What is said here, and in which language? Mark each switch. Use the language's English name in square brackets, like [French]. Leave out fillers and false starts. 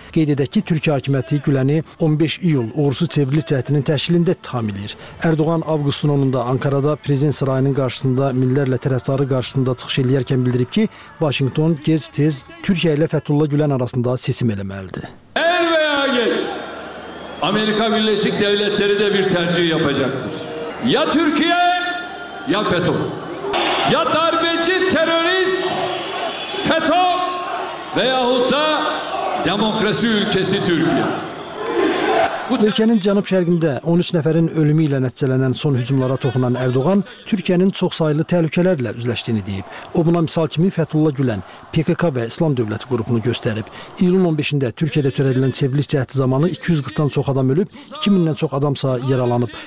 [Azerbaijani] Qeyd edək ki, Türkiyə hakimiyyəti Gülen'i 15 iyul uğursuz çevrili cəhdinin təşkilində təhvil edir. Erdoğan avqustun 10-da Ankara'da Prezident Sarayının qarşısında millərlə tərəfdarı qarşısında çıxış eləyərkən bildirib ki, Washington gec-tez Türkiyə ilə Fethullah Gülen arasında seçim eləməlidir. [Turkish] Er veya geç Amerika Birleşik Devletleri de bir tercih yapacaktır. Ya Türkiye ya FETÖ. Ya darbeci terörist FETÖ veyahut da demokrasi ülkesi Türkiye. [Azerbaijani] Ölkənin cənub şərqində 13 nəfərin ölümü ilə nəticələnən son hücumlara toxunan Erdoğan Türkiyənin çoxsaylı təhlükələrlə üzləşdiyini deyib. O buna misal kimi Fethullah Gülen, PKK və İslam Dövləti qrupunu göstərib. İyulun 15-də Türkiyədə törədilən çevriliş cəhdi zamanı 240-dan çox adam ölüb, 2000-dən çox adamsa yaralanıb.